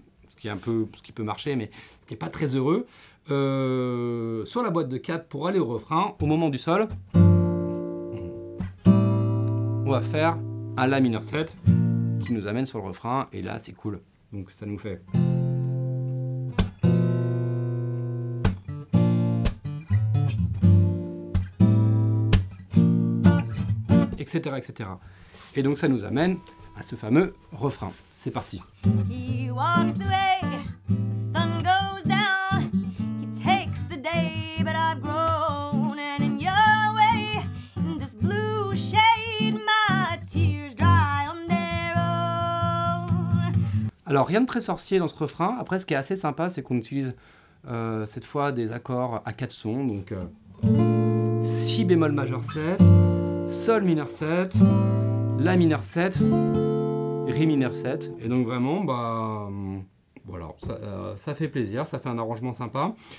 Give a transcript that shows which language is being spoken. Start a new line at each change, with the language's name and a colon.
French: Ce qui est un peu, ce qui peut marcher, mais ce qui n'est pas très heureux. Sur la boîte de 4 pour aller au refrain, au moment du Sol, on va faire un La mineur 7 qui nous amène sur le refrain, et là c'est cool. Donc ça nous fait etc., etc. Et donc ça nous amène à ce fameux refrain. C'est parti.
English: He walks away, the sun goes down, he takes the day, but I've grown, and in your way, in this blue shade, my tears dry on their own.
French: Alors rien de très sorcier dans ce refrain. Après, ce qui est assez sympa, c'est qu'on utilise cette fois des accords à 4 sons, donc Si bémol majeur 7, Sol mineur 7, La mineur 7, Ré mineur 7. Et donc vraiment, voilà, ça fait plaisir, ça fait un arrangement sympa.